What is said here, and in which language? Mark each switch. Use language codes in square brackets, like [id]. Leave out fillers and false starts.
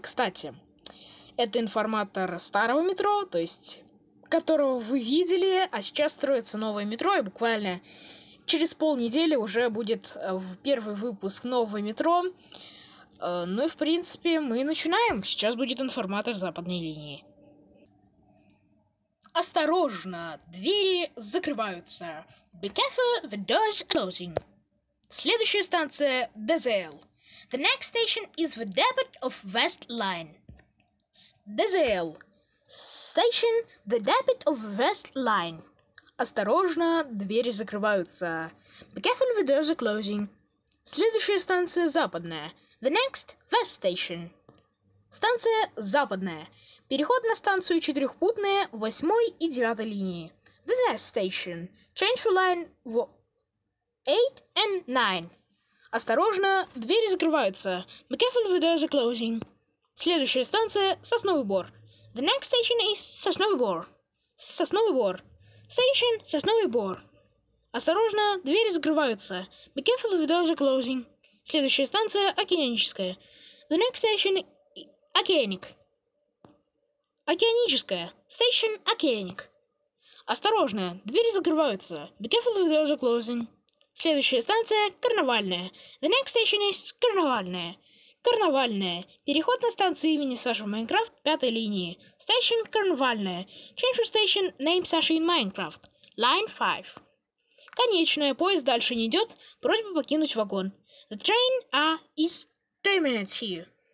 [ru] Кстати, это информатор старого метро, то есть которого вы видели, а сейчас строится новое метро, и буквально через полнедели уже будет первый выпуск нового метро. Ну и, в принципе, мы начинаем. Сейчас будет информатор западной линии. Осторожно, двери закрываются. [en] Be careful, the doors are closing. [ru] Следующая станция — Дезейл. [en] The next station is the depot of West Line. [ru] Дезейл. [en] Station — the depot of West Line. [ru] Осторожно, двери закрываются. [en] Be careful, the doors are closing. [ru] Следующая станция — Западная. [en] The next — West Station. [ru] Станция — Западная. Переход на станцию четырехпутная 8 и 9 линии. [en] The West Station. Change for line 8 and 9. [ru] Осторожно, двери закрываются. [en] Be careful, the doors are closing. [ru] Следующая станция — Сосновый Бор. [en] The next station is Сосновый Бор. [ru] Сосновый Бор. Station — Сосновый Бор. Осторожно, двери закрываются. [en] Be careful, the doors are closing. [ru] Следующая станция — Океаническая. [en] The next station — Океаник. [ru] Океаническая. Station — Океаник. Осторожно, двери закрываются. [en] Be careful, the doors are closing. [ru] Следующая станция — Карнавальная. [en] The next station is Карнавальная. [ru] Карнавальная. Переход на станцию имени Саши в Майнкрафт 5 линии. Station — Карнавальная. [en] Change your station name Саши in Minecraft. Line 5. Конечная. [ru] Поезд дальше не идет. Просьба покинуть вагон. [en] The train is terminates here.